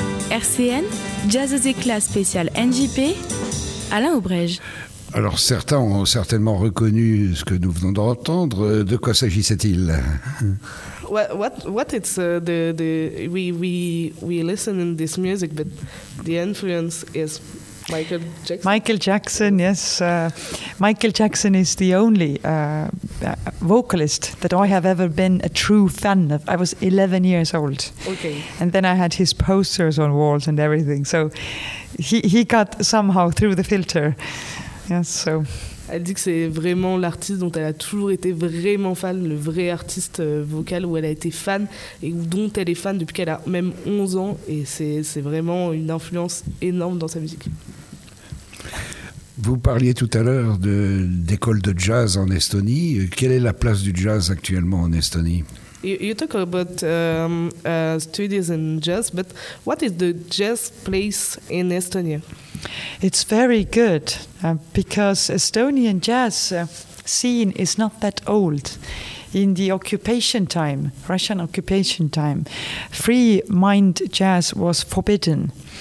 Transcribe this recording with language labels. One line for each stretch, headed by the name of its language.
French: RCN, Jazz aux éclats spécial NJP, Alain Aubrège. Alors certains ont certainement reconnu ce que nous venons d'entendre. De quoi s'agissait-il?
English: We listen in this music, but the influence is Michael Jackson. Michael Jackson, yes. Michael Jackson is the only vocalist that I have ever been a true fan of. I was 11 years old. Okay. And then I had his posters on walls and everything. So he got somehow through the filter. Yes, so.
French: Elle dit que c'est vraiment l'artiste dont elle a toujours été vraiment fan, le vrai artiste vocal où elle a été fan et dont elle est fan depuis qu'elle a même 11 ans. Et c'est vraiment une influence énorme dans sa musique. Vous parliez tout à l'heure d'école de jazz en Estonie. Quelle est la place du jazz actuellement en Estonie?
English: You talk about studies in jazz, but what is the jazz place in Estonia? It's very good because Estonian jazz scene is not that old. In the occupation time, Russian occupation time, free mind jazz was forbidden.